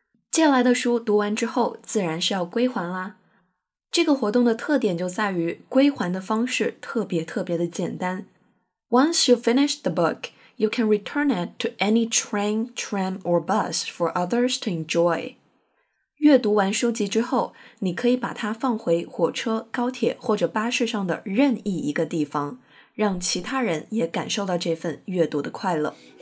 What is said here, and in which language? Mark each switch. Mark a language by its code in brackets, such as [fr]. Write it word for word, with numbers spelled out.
[zh] 借来的书读完之后，自然是要归还啦。这个活动的特点就在于归还的方式特别特别的简单。 [en] Once you finish the book,You can return it to any train, tram, or bus for others to enjoy. [zh] 阅读完书籍之后，你可以把它放回火车、高铁或者巴士上的任意一个地方，让其他人也感受到这份阅读的快乐。